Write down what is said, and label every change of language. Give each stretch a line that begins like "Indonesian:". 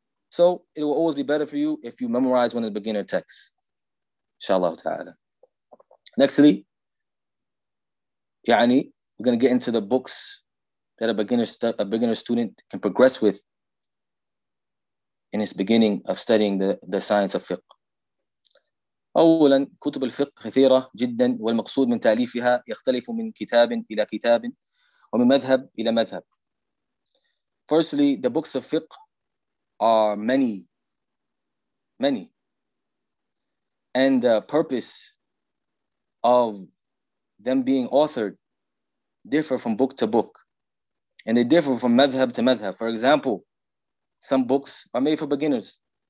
English: So it will always be better for you if you memorize one of the beginner texts. Inshallah ta'ala. Nextly, يعني, we're going to get into the books that a beginner student can progress with in his beginning of studying the science of fiqh.
Arabic: أولا كتب الفقه كثيرة جدا والمقصود من تأليفها يختلف من كتاب إلى كتاب ومن مذهب إلى مذهب.
English: Firstly, the books of fiqh are many, many. And the purpose of them being authored differ from book to book. And they differ from madhab to madhab. For example, some books are made for beginners.